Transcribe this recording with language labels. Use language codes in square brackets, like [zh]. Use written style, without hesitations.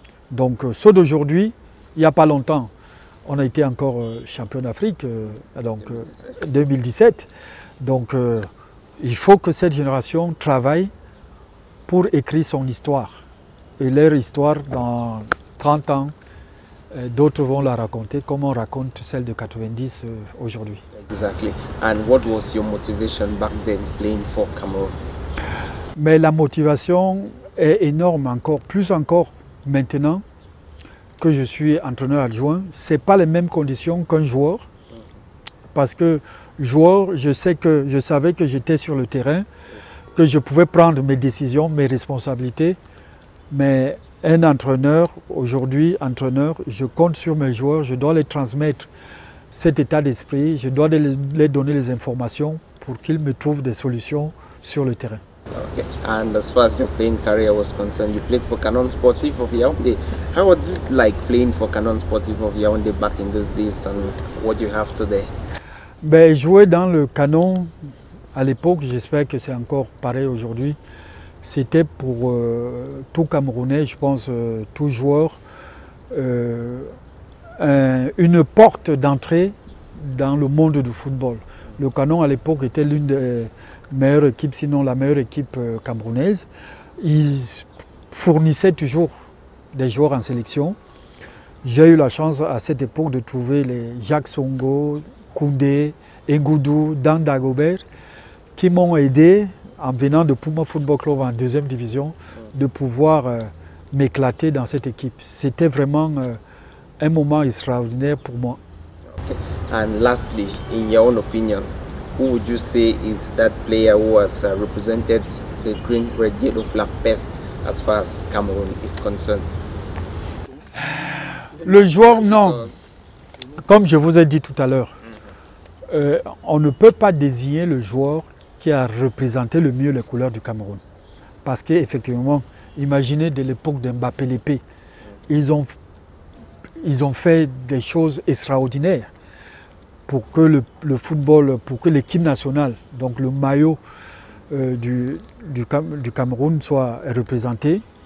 [fr] Donc ceux d'aujourd'hui, il n'y a pas longtemps, on a été encore champion d'Afrique, donc 2017. Donc il faut que cette génération travaille pour écrire son histoire. Et leur histoire, dans 30 ans, d'autres vont la raconter comme on raconte celle de 90 aujourd'hui. [en] Exactly. And what was your motivation back then playing for Cameroon? [fr] Mais la motivation est énorme encore, plus encore maintenant que je suis entraîneur adjoint. Ce n'est pas les mêmes conditions qu'un joueur. Parce que joueur, je savais que j'étais sur le terrain, que je pouvais prendre mes décisions, mes responsabilités. Mais un entraîneur, aujourd'hui entraîneur, je compte sur mes joueurs, je dois les transmettre cet état d'esprit, je dois les donner les informations pour qu'ils me trouvent des solutions sur le terrain. [en] Okay. And as far as your playing career was concerned, you played for Canon Sportif of Yaoundé. How was it like playing for Canon Sportif of Yaoundé back in those days and what you have today? [fr] Ben, jouer dans le Canon à l'époque, j'espère que c'est encore pareil aujourd'hui, c'était pour tout Camerounais, je pense, tout joueur, une porte d'entrée dans le monde du football. Le Canon à l'époque était l'une des meilleures équipes, sinon la meilleure équipe camerounaise. Ils fournissaient toujours des joueurs en sélection. J'ai eu la chance à cette époque de trouver les Jacques Songo, Koundé, Engoudou, Dan Dagobert, qui m'ont aidé en venant de Puma Football Club en deuxième division de pouvoir m'éclater dans cette équipe. C'était vraiment un moment extraordinaire pour moi. [en] And lastly, in your own opinion, who would you say is that player who has represented the green, red, yellow flag best as far as Cameroon is concerned? [fr] Le joueur, non. Comme je vous ai dit tout à l'heure, on ne peut pas désigner le joueur qui a représenté le mieux les couleurs du Cameroun. Parce qu'effectivement, imaginez de l'époque de Mbappé Lépé, ils ont fait des choses extraordinaires pour que le football, pour que l'équipe nationale, donc le maillot du Cameroun soit représenté.